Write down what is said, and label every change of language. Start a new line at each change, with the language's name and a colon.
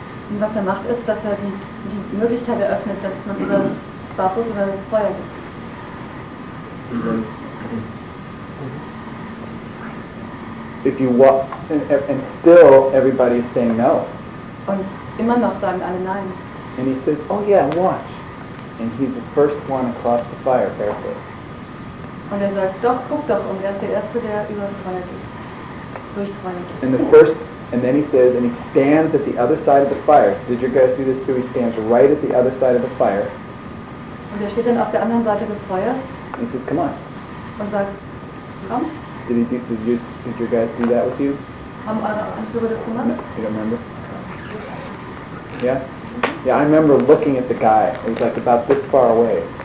German: Und was er macht ist, dass er die Möglichkeit eröffnet, dass man über das Barfuß oder das Feuer geht.
English: If you walk, and still everybody is saying no.
German: Und immer noch sagen alle nein.
English: And he says, oh yeah, watch. And he's the first one across the fire barefoot.
German: Und er sagt, doch, guck doch, und er ist der Erste, der über das Feuer geht. Durchs Feuer geht.
English: And the first, and then he says, and he stands at the other side of the fire. Did you guys do this too? He stands right at the other side of the fire.
German: Und er steht dann auf der anderen Seite des Feuers.
English: And he says, come on.
German: Und sagt, komm.
English: Did you guys do that with you?
German: Haben eure Anführer das gemacht?
English: No, you don't remember? Yeah? Yeah, I remember looking at the guy. It was like about this far away.